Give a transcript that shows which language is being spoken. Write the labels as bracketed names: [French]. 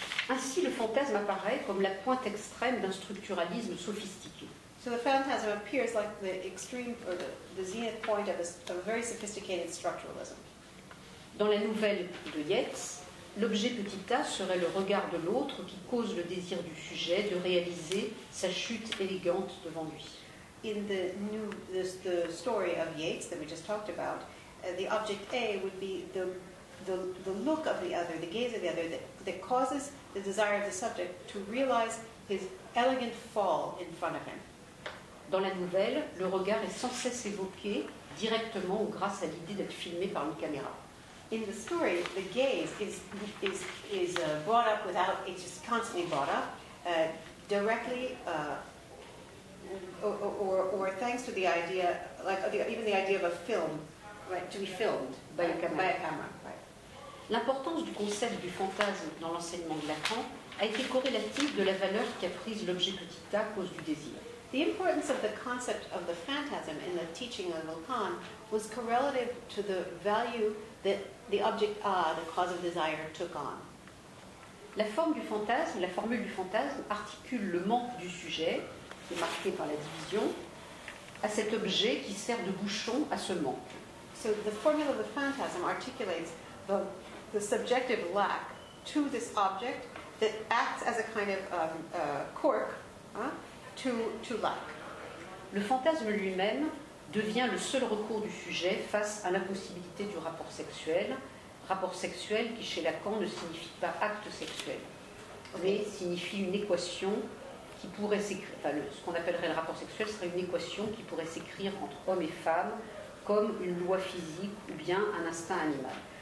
[French] Ainsi, le fantasme apparaît comme la pointe extrême d'un structuralisme sophistiqué. [English] So the phantasm appears like the extreme or the zenith point of a very sophisticated structuralism. [French] Dans la nouvelle de Yeats, l'objet petit a serait le regard de l'autre qui cause le désir du sujet de réaliser sa chute élégante devant lui. [English] In the story of Yeats that we just talked about, the object A would be the look of the other, the gaze of the other, that causes the desire of the subject to realize his elegant fall in front of him. [French] Dans la nouvelle, le regard est sans cesse évoqué directement ou grâce à l'idée d'être filmé par une caméra. [English] In the story, the gaze is brought up without, it's just constantly brought up, directly, or thanks to the idea, like even the idea of a film, right, to be filmed by a camera. Right. [French] L'importance du concept du fantasme dans l'enseignement de Lacan a été corrélative de la valeur qu'a prise l'objet petit a cause du désir. [English] The importance of the concept of the phantasm in the teaching of Lacan was correlative to the value that the object A, the cause of desire, took on. [French] La forme du fantasme, la formule du fantasme, articule le manque du sujet, qui est marqué par la division, à cet objet qui sert de bouchon à ce manque. [English] So the formula of the phantasm articulates the subjective lack to this object that acts as a kind of cork, to lack. [French] Le fantasme lui-même devient le seul recours du sujet face à l'impossibilité du rapport sexuel, rapport sexuel qui chez Lacan ne signifie pas acte sexuel, mais signifie une équation qui pourrait s'écrire, ce qu'on appellerait le rapport sexuel serait une équation qui pourrait s'écrire entre homme et femme comme une loi physique ou bien un instinct animal.